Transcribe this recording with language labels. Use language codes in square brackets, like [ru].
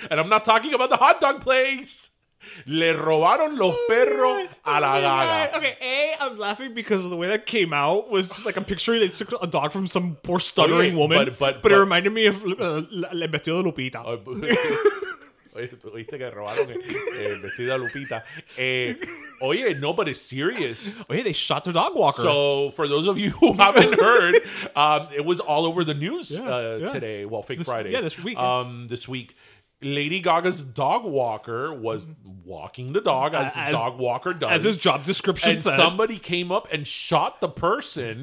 [en] And I'm not talking about the hot dog place. [es] Le robaron los perros a la gaga. [en] Okay, I'm laughing because of the way that came out was just like, I'm picturing they took a dog from some poor stuttering woman. But it reminded me of Le Vestido de Lupita. [es] Oye, tú dijiste que robaron el vestido de Lupita. [en] Oye, nobody's serious. Oye, they shot their dog walker. So, for those of you who haven't heard, it was all over the news today. Well, Friday. Yeah, this week. This week. Lady Gaga's dog walker was walking the dog, as the dog walker does. As his job description and said. And somebody came up and shot the person.